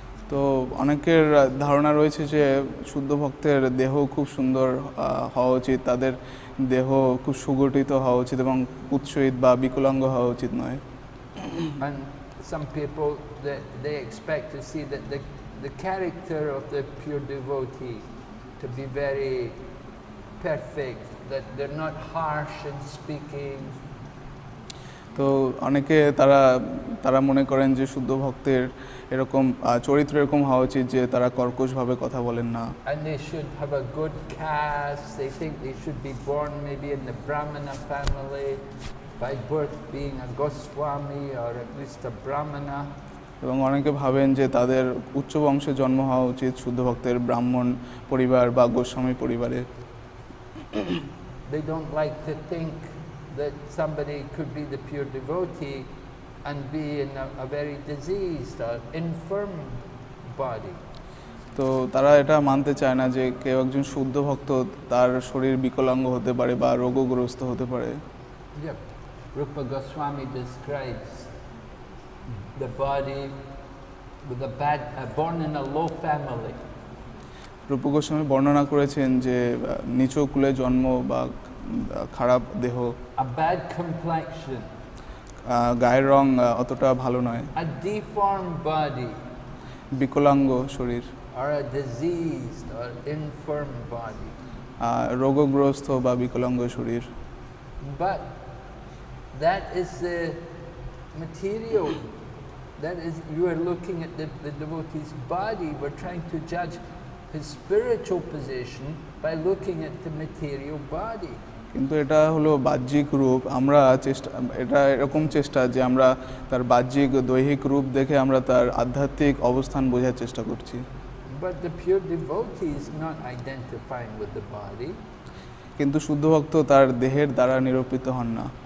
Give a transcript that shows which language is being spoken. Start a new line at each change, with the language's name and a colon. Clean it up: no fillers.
Bangla: তো অনেকের ধারণা রয়েছে যে শুদ্ধ ভক্তের দেহ খুব সুন্দর হওয়া উচিত, তাদের দেহ খুব সুগঠিত হওয়া উচিত এবং উৎসহিত বা বিকলাঙ্গ হওয়া উচিত নয়।
English: And some people they expect to see that the character of the pure devotee to be very perfect, that they're not harsh in speaking.
Bangla: তো অনেকে তারা মনে করেন যে শুদ্ধ ভক্তের এরকম চরিত্র এরকম হওয়া উচিত যে তারা কর্কশভাবে কথা বলেন না।
English: And they should have a good caste. They think they should be born maybe in the Brahmana family by birth being a Goswami or at least a Brahmana.
Bangla: এবং অনেকে ভাবেন যে তাদের উচ্চ বংশে জন্ম হওয়া উচিত শুদ্ধ ভক্তের ব্রাহ্মণ পরিবার বা গোস্বামী পরিবারে।
English: They don't like to think that somebody could be the pure devotee and be in a very diseased or infirm body.
Bangla: তো তারা এটা মানতে চায় না যে কেউ একজন শুদ্ধ ভক্ত তার শরীর বিকলাঙ্গ হতে পারে বা রোগগ্রস্ত হতে পারে।
English: Rupa Goswami describes the body with born in a low family.
Bangla: রূপ গোস্বামী বর্ণনা করেছেন যে নিচু কুলে জন্ম বা খারাপ দেহ,
English: a bad complexion,
Bangla: গায়ের রং অতটা ভালো নয়,
English: a deformed body,
Bangla: বিকলাঙ্গ শরীর,
English: or a diseased or infirm body,
Bangla: রোগগ্রস্ত বা বিকলাঙ্গ শরীর।
English: But that is the material That is, you are looking at the devotee's body. We're trying to judge his spiritual position by looking at the material body.
Bangla: কিন্তু এটা হলো বাহ্যিক রূপ আমরা চেষ্টা এটা এরকম চেষ্টা যে আমরা তার বাহ্যিক দৈহিক রূপ দেখে আমরা তার আধ্যাত্মিক অবস্থান বোঝার চেষ্টা করছি
English: But the pure devotee is not identifying with the body.
Bangla: কিন্তু শুদ্ধ ভক্ত তার দেহের দ্বারা নিরূপিত হন না